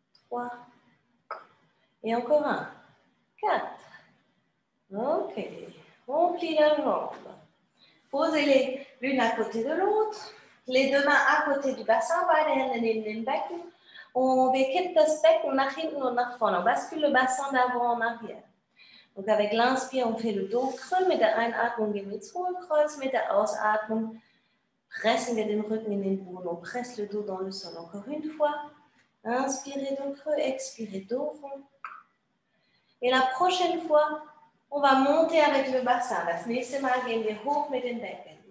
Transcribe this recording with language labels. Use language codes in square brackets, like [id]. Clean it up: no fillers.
[fr] 3. Et encore un. 4. Ok, on plie la jambe. Posez-les l'une à côté de l'autre, les deux mains à côté du bassin, [de] beide Hände neben dem Becken. On kippt das Becken nach hinten und nach vorne. [fr] On bascule le bassin d'avant en arrière. Donc avec l'inspire, on fait le dos creux, [de] mit der Einatmung gehen wir ins Hohlkreuz, mit der Ausatmung pressen wir den Rücken in den Boden. [fr] On presse le dos dans le sol. Encore une fois, inspirez dos creux, expirez dos rond. Et la prochaine fois, on va monter avec le bassin. [de] Das nächste Mal gehen wir hoch mit den Becken.